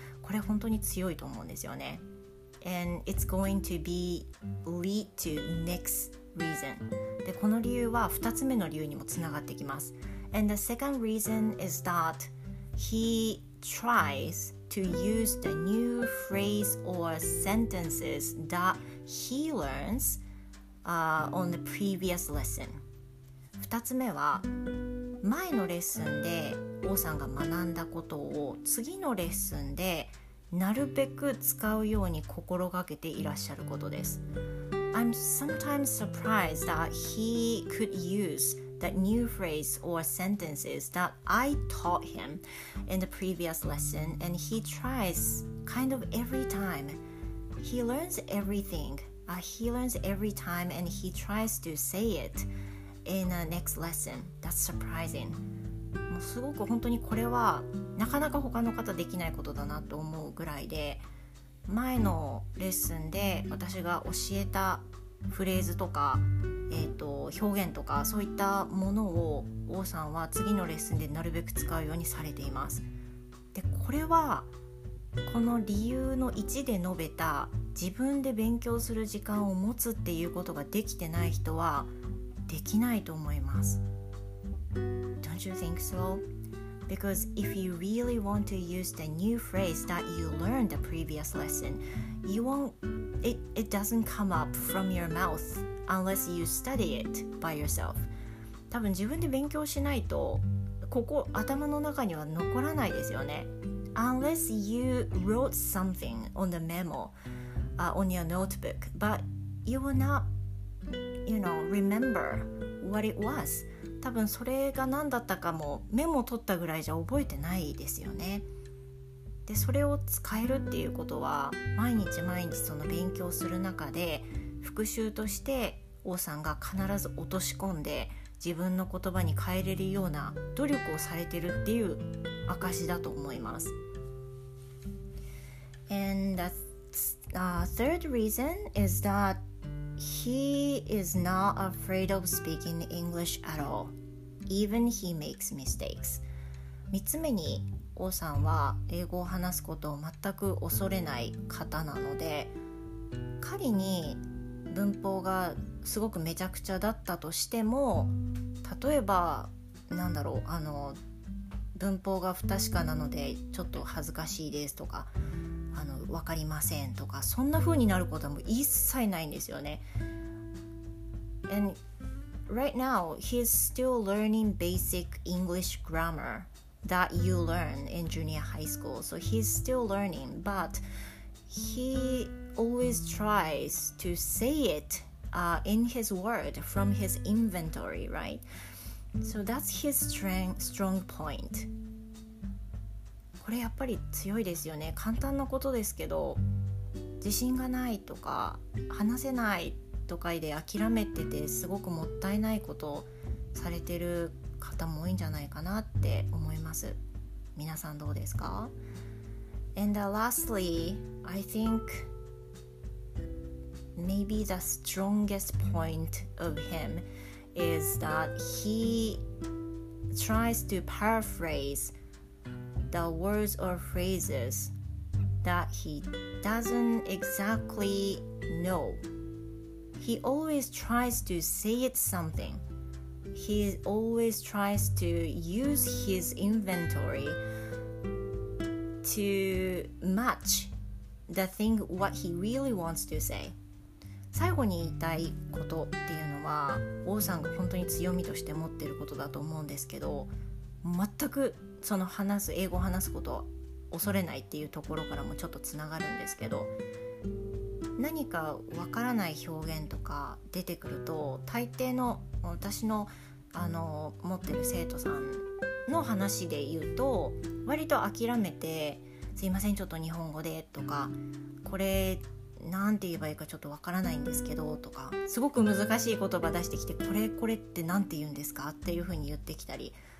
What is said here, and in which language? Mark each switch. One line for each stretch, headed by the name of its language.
Japanese: これ本当に強いと思うんですよね。
English: And it's going to be lead to next reason.
Japanese: で、この理由は2つ目の理由にもつながってきます。
English: And the second reason is that he tries to use the new phrase or sentences that he learns on the previous lesson.
Japanese: 2つ目は、前のレッスンで王さんが学んだことを次のレッスンでなるべく使うように心がけていらっしゃることです。
English: I'm sometimes surprised that he could use the new phrase or sentences that I taught him in the previous lesson, and he tries kind of every time. He learns everything. He learns every time and he tries to say itin a next lesson. That's surprising.
Japanese: もうすごく本当にこれはなかなか他の方できないことだなと思うぐらいで、前のレッスンで私が教えたフレーズとか、表現とかそういったものを王さんは次のレッスンでなるべく使うようにされています。で、これはこの理由の1で述べた自分で勉強する時間を持つっていうことができてない人はできないと思います。
English: Don't you think so? Because if you really want to use the new phrase that you learned the previous lesson, it doesn't come up from your mouth unless you study it by yourself.
Japanese: 多分自分で勉強しないとここ頭の中には残らないですよね。
English: Unless you wrote something on the memo, on your notebook, but you will not, you know, remember what it was.
Japanese: 多分それが何だったかもメモ取ったぐらいじゃ覚えてないですよね。で、それを使えるっていうことは毎日毎日その勉強する中で復習として王さんが必ず落とし込んで自分の言葉に変えれるような努力をされてるっていう証だと思います。
English: And the third reason is thatHe is not afraid of speaking English at all. Even he makes mistakes.
Japanese: 3つ目に、王さんは英語を話すことを全く恐れない方なので、仮に文法がすごくめちゃくちゃだったとしても、例えば、なんだろう、文法が不確かなのでちょっと恥ずかしいですとか、わかりませんとかそんな風になることはもう一切ないんですよね。
English: And right now he's still learning basic English grammar that you learn in junior high school. So he's still learning, but he always tries to say it in his word from his inventory, right? So that's his strong point.
Japanese: これやっぱり強いですよね。簡単なことですけど、自信がないとか話せないとかで諦めててすごくもったいないことされてる方も多いんじゃないかなって思います。皆さんどうですか？
English: And lastly, I think maybe the strongest point of him is that he tries to paraphraseThe words or phrases that he doesn't exactly know. He always tries to say it something. He always tries to use his inventory to match the thing what he really wants to say.
Japanese: 最後に言いたいことっていうのは、王さんが本当に強みとして持ってることだと思うんですけど、全くその話す英語を話すことを恐れないっていうところからもちょっとつながるんですけど、何かわからない表現とか出てくると、大抵の私の持ってる生徒さんの話で言うと、割と諦めて、すいませんちょっと日本語でとか、これなんて言えばいいかちょっとわからないんですけどとか、すごく難しい言葉出してきて、これってなんて言うんですかっていうふうに言ってきたり